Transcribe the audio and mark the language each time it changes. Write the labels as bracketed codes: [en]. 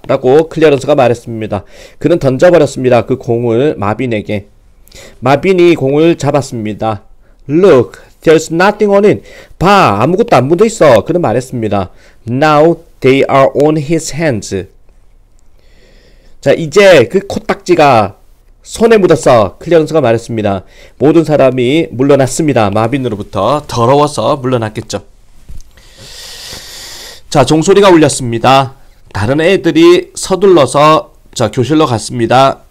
[ko] 라고 클리어런스가 말했습니다. 그는 던져버렸습니다. 그 공을 마빈에게. 마빈이 공을 잡았습니다. [en] Look. There's nothing on it. [ko] 봐, 아무것도 안 묻어 있어. 그는 말했습니다. [en] Now they are on his hands. [ko] 자, 이제 그 코딱지가 손에 묻었어. 클리어런스가 말했습니다. 모든 사람이 물러났습니다. 마빈으로부터 더러워서 물러났겠죠. 자, 종소리가 울렸습니다. 다른 애들이 서둘러서 자, 교실로 갔습니다.